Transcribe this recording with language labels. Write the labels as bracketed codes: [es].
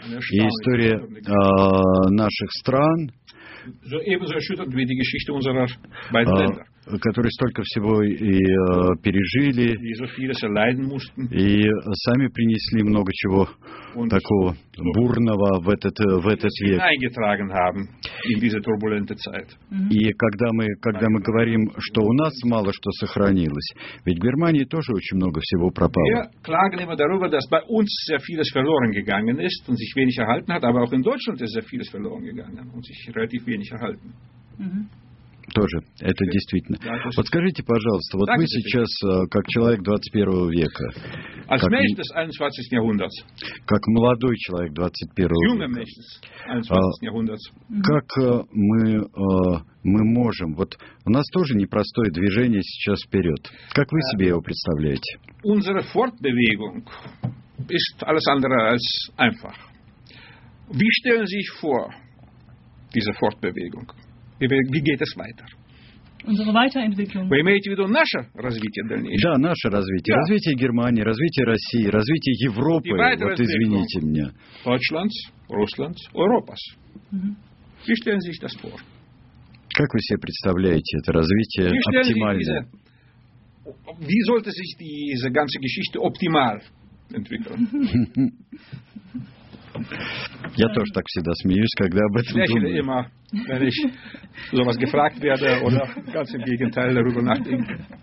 [ru] И история наших стран, которые столько всего и пережили, и сами принесли много чего такого бурного в этот век. И когда мы говорим, что у нас мало что сохранилось, ведь в Германии тоже очень много всего пропало. [de] Wir klagen immer darüber, dass bei uns sehr vieles verloren gegangen ist und sich wenig erhalten hat, aber auch in Deutschland ist sehr vieles verloren gegangen und sich relativ wenig erhalten. [ru] Тоже, это действительно. Вот скажите, пожалуйста, вот вы сейчас, как человек 21 века, как молодой человек 21 века, как мы можем, вот у нас тоже непростое движение сейчас вперед. Как вы себе его представляете? [de] Unsere Fortbewegung ist alles andere als einfach. Wie stellen Sie sich vor, diese Fortbewegung? Wie geht es weiter? Unsere Weiterentwicklung. [ru] Вы имеете в виду наше развитие дальнейшее? Да, наше развитие. Да. Развитие Германии, развитие России, развитие Европы. Вот извините меня. [de] Deutschlands, Russlands, Europas. Mm-hmm. Wie stellen Sie sich das vor? [ru] Как вы себе представляете это развитие оптимально? [de] Wie sollte sich diese ganze Geschichte optimal entwickeln? [ru] Я тоже так всегда смеюсь, когда об этом [de] Lächle [ru] думаю. [de] Immer, wenn ich sowas gefragt werde oder ganz im Gegenteil darüber nachdenke.